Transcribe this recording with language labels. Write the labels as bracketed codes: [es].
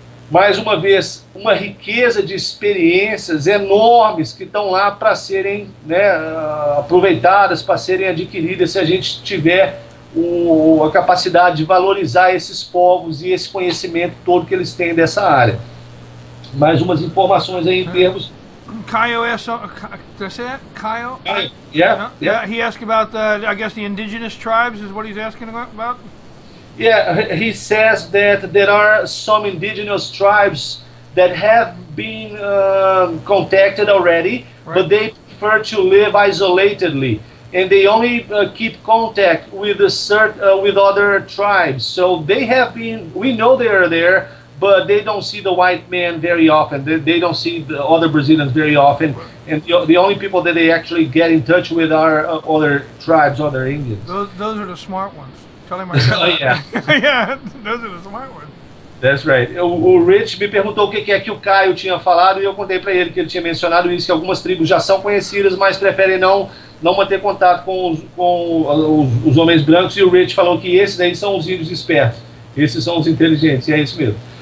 [pt] Mais uma vez, uma riqueza de experiências enormes que estão lá para serem, né, aproveitadas, para serem adquiridas, se a gente tiver a capacidade de valorizar esses povos e esse conhecimento todo que eles têm dessa área. Mais umas informações aí em termos... Caio, ele perguntou sobre, eu acho, as tribos indígenas, é o que ele está perguntando sobre? [en] Yeah, he says that there are some indigenous tribes that have been contacted already, right, but they prefer to live isolatedly, and they only keep contact with other tribes. So they have been, we know they are there, but they don't see the white man very often. They don't see the other Brazilians very often. Right. And the only people that they actually get in touch with are other tribes, other Indians. Those are the smart ones. Oh, yeah. Yeah, those are the smart ones. That's right. [pt] O Rich me perguntou o que é que o Caio tinha falado, e eu contei para ele que ele tinha mencionado isso, que algumas tribos já são conhecidas, mas preferem não manter contato com os homens brancos, e o Rich falou que esses aí são os índios espertos, esses são os inteligentes, e é isso mesmo.